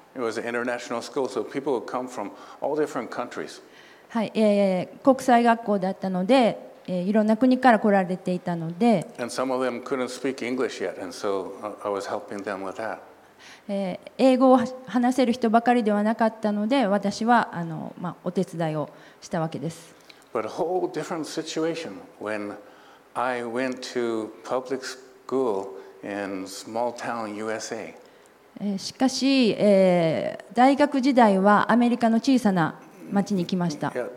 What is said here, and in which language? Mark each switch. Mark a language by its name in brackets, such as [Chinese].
[English] It was an international school, so people would come from all different countries. [Japanese] はい、国際学校だったので、いろんな国から来られていたので、 [English] And some of them couldn't speak English yet, and so I was helping them with that. [Japanese] 英語を話せる人ばかりではなかったので、私はまあ、お手伝いをしたわけです。 [English] But a whole different situation when I went to public school in small town USA. [Japanese] しかし、大学時代はアメリカの小さな町に来ました。